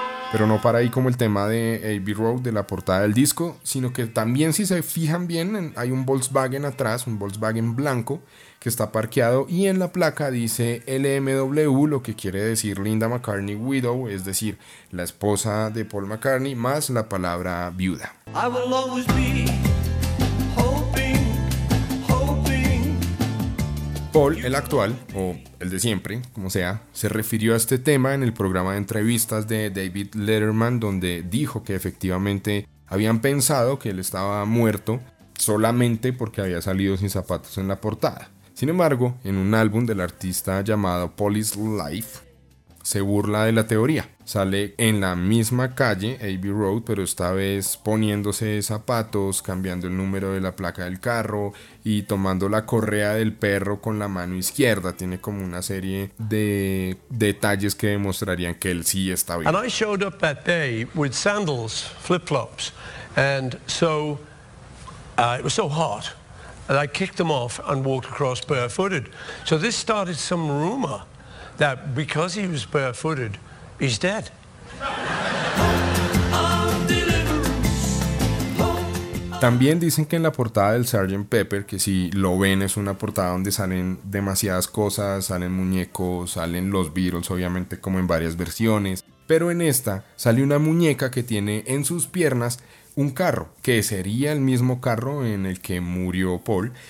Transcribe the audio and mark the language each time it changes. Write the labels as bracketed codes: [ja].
[es] Pero no para ahí como el tema de Abbey Road, de la portada del disco, sino que también, si se fijan bien, hay un Volkswagen atrás, un Volkswagen blanco, que está parqueado, y en la placa dice LMW, lo que quiere decir Linda McCartney Widow, es decir, la esposa de Paul McCartney, más la palabra viuda. [en] I will always be hoping, hoping. [es] Paul, el actual, o el de siempre, como sea, se refirió a este tema en el programa de entrevistas de David Letterman, donde dijo que efectivamente habían pensado que él estaba muerto solamente porque había salido sin zapatos en la portada. Sin embargo, en un álbum del artista llamado Police Life, se burla de la teoría. Sale en la misma calle, Abbey Road, pero esta vez poniéndose zapatos, cambiando el número de la placa del carro y tomando la correa del perro con la mano izquierda. Tiene como una serie de detalles que demostrarían que él sí está vivo. [en] And I showed up that day with sandals, flip-flops, and so it was so hot that I kicked them off and walked across barefooted. So this started some rumor that because he was barefooted, he's dead. [es] También dicen que en la portada del Sgt. Pepper, que si lo ven es una portada donde salen demasiadas cosas, salen muñecos, salen los Beatles, obviamente como en varias versiones, pero en esta sale una muñeca que tiene en sus piernas un carro, que sería el mismo carro en el que murió Paul.